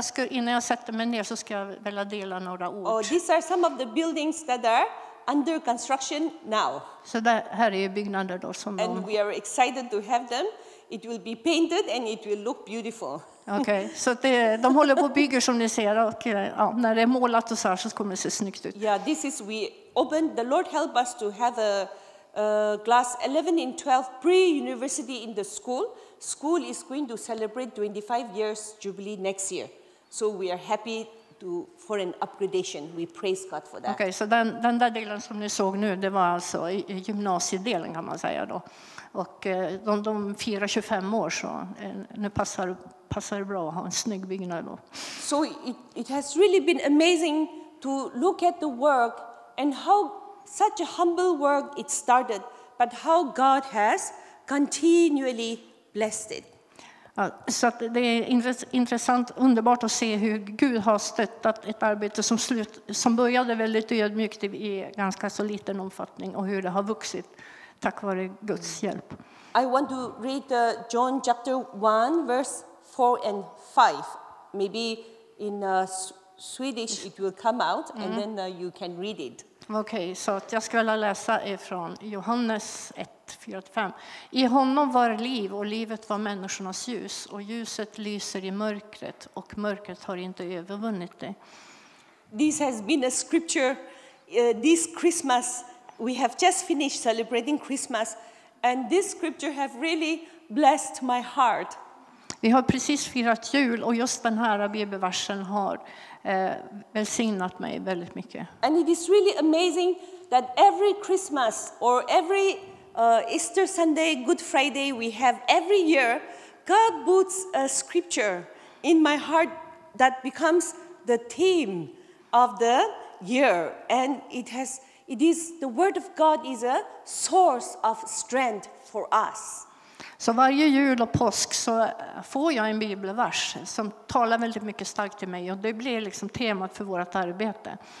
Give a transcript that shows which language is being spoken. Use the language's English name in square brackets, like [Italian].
[Swedish] Innan jag sätter mig ner så ska jag välja dela några ord. [English] Oh, these are some of the buildings that are under construction now. [Swedish] Så det här är byggnader då som [English] And we are excited to have them. It will be painted and it will look beautiful. [Swedish] Okay, så de håller på och bygger som ni ser. Och ja, när det är målat och så kommer det se snyggt ut. [English] Yeah, this is, we opened, the Lord help us to have a class 11 and 12 pre-university in the school. School is going to celebrate 25 years jubilee next year. So we are happy for an upgradation. We praise God for that. [Swedish] Okay, så den där delen som ni såg nu, det var alltså gymnasiedelen kan man säga då. Och de firar 25 år, så nu passar det bra att ha en snygg byggnad då. [English] So it has really been amazing to look at the work and how such a humble work it started, but how God has continually blessed it. [Swedish] Så att det är intressant, underbart att se hur Gud har stöttat ett arbete som började väldigt ödmjukt i ganska så liten omfattning och hur det har vuxit tack vare Guds hjälp. [English] I want to read John chapter 1, verse 4 and 5. Maybe in Swedish it will come out and then you can read it. [Swedish] Okej, så att jag ska väl läsa ifrån Johannes 1:4-5. I honom var liv och livet var människornas ljus, och ljuset lyser i mörkret och mörkret har inte övervunnit det. [English] This has been a scripture this Christmas. We have just finished celebrating Christmas and this scripture have really blessed my heart. [Swedish] Vi har precis firat jul och just den här bibelversen har välsignat mig väldigt mycket. [English] And it is really amazing that every Christmas or every Easter Sunday, Good Friday we have every year, God puts a scripture in my heart that becomes the theme of the year. And it is the word of God is a source of strength for us. [Swedish] Så varje jul och påsk så får jag en bibelvers som talar väldigt mycket starkt till mig, och det blir liksom temat för vårt arbete.